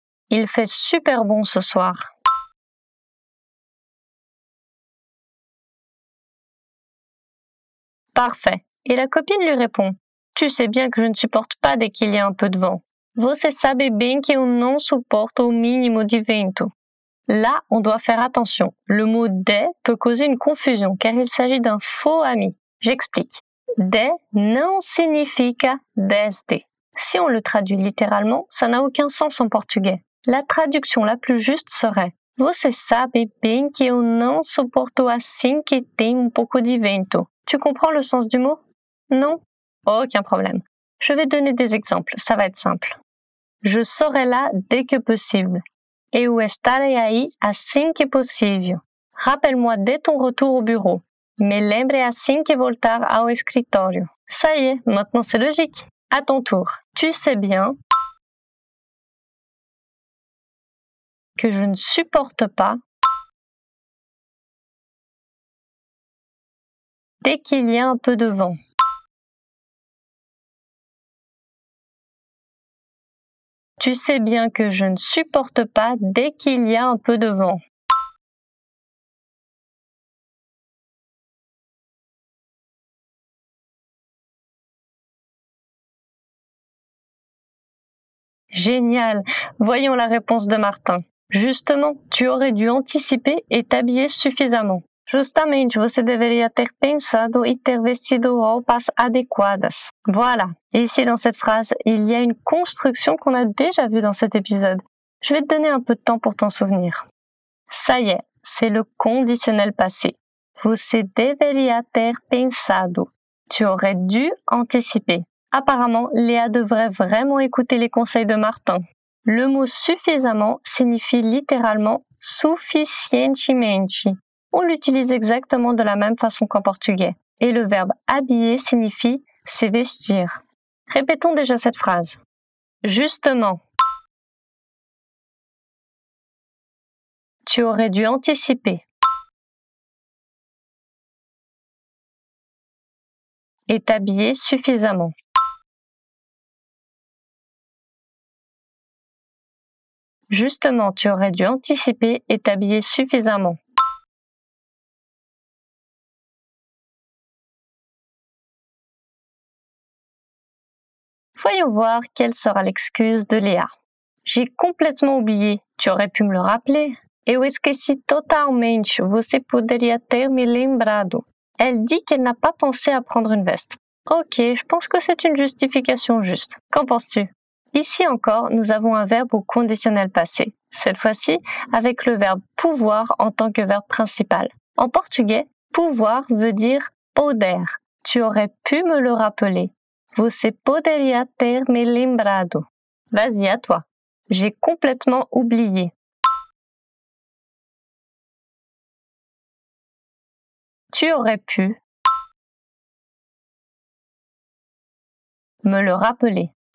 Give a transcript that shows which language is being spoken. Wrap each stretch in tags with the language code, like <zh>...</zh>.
<fr>Il fait super bon ce soir. Parfait. Et la copine lui répond. Tu sais bien que je ne supporte pas dès qu'il y a un peu de vent.</fr> <pt>Você sabe bem que eu não suporto o mínimo de vento.</pt> <fr>Là, on doit faire attention. Le mot « des » peut causer une confusion, car il s'agit d'un faux ami. J'explique.</fr> <pt>« Des » não significa « desde ».</pt> <fr>Si on le traduit littéralement, ça n'a aucun sens en portugais. La traduction la plus juste serait «</fr> <pt>Você sabe bem que eu não suporto assim que tem um pouco de vento.</pt> <fr>» Tu comprends le sens du mot? Non? Aucun problème. Je vais donner des exemples, ça va être simple. Je serai là dès que possible.</fr> <pt>Eu estarei aí assim que possível.</pt> <fr>Rappelle-moi dès ton retour au bureau.</fr> <pt>Me lembre assim que voltar ao escritório.</pt> <fr>Ça y est, maintenant c'est logique. À ton tour. Tu sais bien que je ne supporte pas dès qu'il y a un peu de vent. Tu sais bien que je ne supporte pas dès qu'il y a un peu de vent. Génial! Voyons la réponse de Martin. Justement, tu aurais dû anticiper et t'habiller suffisamment.</fr> <pt>Justamente, você deveria ter pensado e ter vestido roupas adequadas.</pt> <fr>Voilà. Ici, dans cette phrase, il y a une construction qu'on a déjà vue dans cet épisode. Je vais te donner un peu de temps pour t'en souvenir. Ça y est, c'est le conditionnel passé.</fr> <pt>Você deveria ter pensado.</pt> <fr>Tu aurais dû anticiper. Apparemment, Léa devrait vraiment écouter les conseils de Martin. Le mot suffisamment signifie littéralement suficientemente. On l'utilise exactement de la même façon qu'en portugais. Et le verbe habiller signifie se vestir. Répétons déjà cette phrase. Justement, tu aurais dû anticiper et t'habiller suffisamment. Justement, tu aurais dû anticiper et t'habiller suffisamment. Voyons voir quelle sera l'excuse de Léa. J'ai complètement oublié, tu aurais pu me le rappeler.</fr> <pt>Eu esqueci totalmente, você poderia ter me lembrado.</pt> <fr>Elle dit qu'elle n'a pas pensé à prendre une veste. Ok, je pense que c'est une justification juste. Qu'en penses-tu? Ici encore, nous avons un verbe au conditionnel passé. Cette fois-ci, avec le verbe pouvoir en tant que verbe principal. En portugais, pouvoir veut dire poder. Tu aurais pu me le rappeler.</fr> <pt>Você poderia ter me lembrado.</pt> <fr>Vas-y, à toi. J'ai complètement oublié. Tu aurais pu me le rappeler.</fr>